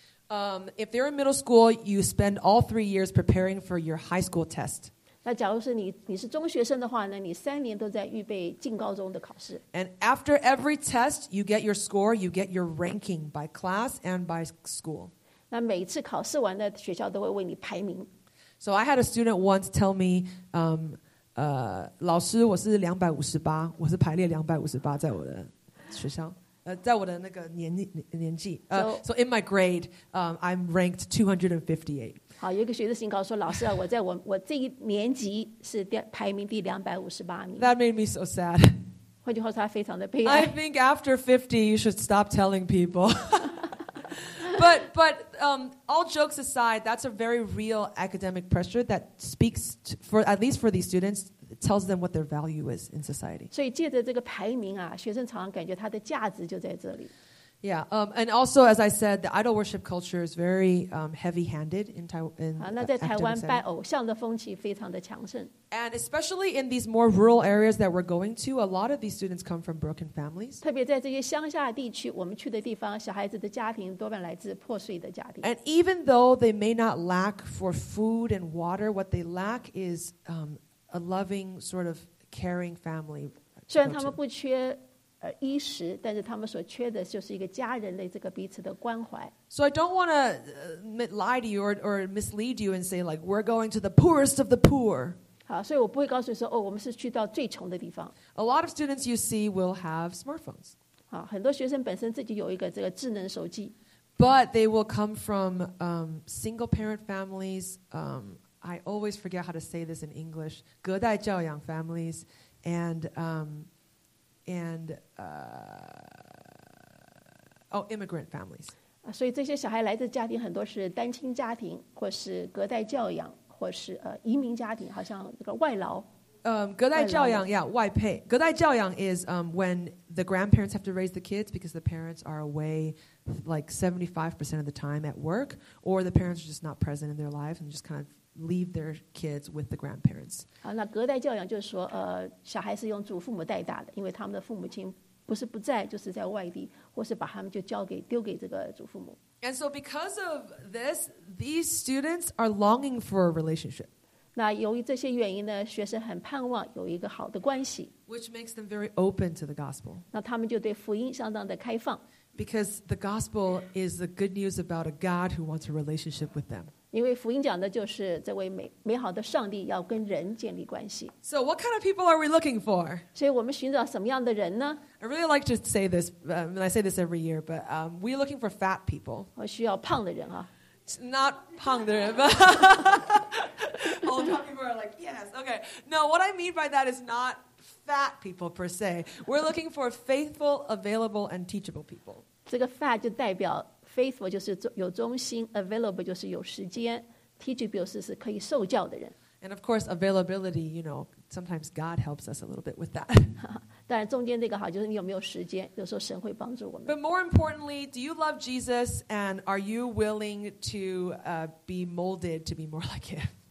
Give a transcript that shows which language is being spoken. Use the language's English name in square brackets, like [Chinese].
[English] If they're in middle school, you spend all 3 years preparing for your high school test. [Chinese] 那假如是你是中学生的话呢，你3年都在预备进高中的考试。 [English] And after every test, you get your score, you get your ranking by class and by school. [Chinese] 那每次考试完了，学校都会为你排名。 [English] So I had a student once tell me, [Chinese] 老师，我是258，我是排列258在我的学校。在我的那个年纪 [English] so in my grade, I'm ranked 258. [Chinese] 好，有一个学生告诉我，老师啊，我这一年级是排名第258名。 [English] That made me so sad. [Chinese] 换句话说，他非常的悲哀。 [English] I think after 50, you should stop telling people. But all jokes aside, that's a very real academic pressure that speaks to, for at least for these students. Tells them what their value is in society. [Chinese] So, 借着这个排名啊，学生常常感觉他的价值就在这里。 [English] Yeah, and also as I said, the idol worship culture is very heavy-handed in Taiwan. [Chinese] 啊，那在台湾拜偶像的风气非常的强盛。 [English] And especially in these more rural areas that we're going to, a lot of these students come from broken families. [Chinese] 特别在这些乡下地区，我们去的地方，小孩子的家庭多半来自破碎的家庭。 [English] And even though they may not lack for food and water, what they lack is a loving, sort of caring family. [Chinese] 虽然他们不缺衣食，但是他们所缺的就是一个家人的这个彼此的关怀。 [English] So I don't want to lie to you or mislead you and say like we're going to the poorest of the poor. [Chinese] 好，所以我不会告诉你说哦，我们是去到最穷的地方。 [English] A lot of students you see will have smartphones. [Chinese] 好，很多学生本身自己有一个这个智能手机。 [English] But they will come from single parent families. I always forget how to say this in English. 隔代教养 families, and immigrant families. [Chinese] 所以这些小孩来自家庭很多是单亲家庭，或是隔代教养，或是移民家庭，好像这个外劳。隔代教养 ，yeah, 外配。 [English] 隔代教养 is when the grandparents have to raise the kids because the parents are away, like 75% of the time at work, or the parents are just not present in their lives and just kind of. Leave their kids with the grandparents. [Chinese] 好，那隔代教养就是说，小孩是用祖父母带大的，因为他们的父母亲不是不在，就是在外地，或是把他们就交给丢给这个祖父母。 [English] And so, because of this, these students are longing for a relationship. [Chinese] 那由于这些原因呢，学生很盼望有一个好的关系。 [English] Which makes them very open to the gospel. [Chinese] 那他们就对福音相当的开放。 [English] Because the gospel is the good news about a God who wants a relationship with them. [Chinese] 因为福音讲的就是这位 美好的上帝要跟人建立关系。 [English] So what kind of people are we looking for? [Chinese] 所以我们寻找什么样的人呢？ [English] I really like to say this, and I say this every year, but we're looking for fat people. [Chinese] 我需要胖的人啊。 [English] Not [Chinese] 胖的人 [English] but all the people are like, yes, okay. No, what I mean by that is not fat people per se. We're looking for faithful, available, and teachable people. [Chinese] 这个 fat 就代表Faithful 就是有忠心 ，available 就是有时间 ，teachable 是可以受教的人。 [English] And of course, availability, you know, sometimes God helps us a little bit with that. [Chinese] 当然，中间这个好就是你有没有时间，有时候神会帮助我们。 [English] But more importantly, do you love Jesus, and are you willing to be molded to be more like Him?